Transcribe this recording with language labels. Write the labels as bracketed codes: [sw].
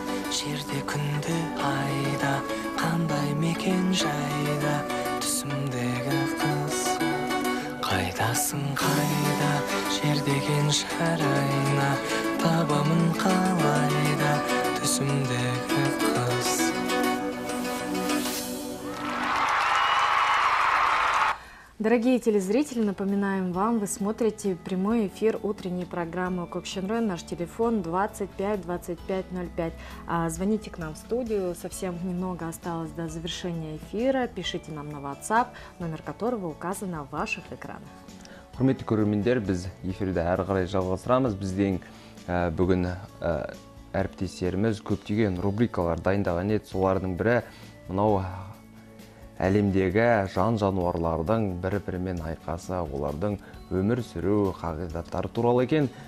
[kk] жерде күнді айда, қандай мекен жайда, түсімдегі қыз. Қайдасың қайда, жер деген шар айна, табамын қалайда, түсімдегі қыз. [ru] Дорогие телезрители, напоминаем вам, вы смотрите прямой эфир утренней программы «Кокшенрой», наш телефон 252505. Звоните к нам в студию, совсем немного осталось до завершения эфира, пишите нам на WhatsApp, номер которого указан на ваших экранах. [kk] Құрметті көрермендер, біз эфирді әрі қарай жалғастырамыз. Біздің бүгін әріптестеріміз көптеген рубрикалар дайындаған еді, солардың бірі мынау әлемдегі жан-жануарлардың бір-бірімен айқасы, олардың өмір сүру қағидаттары туралы екен.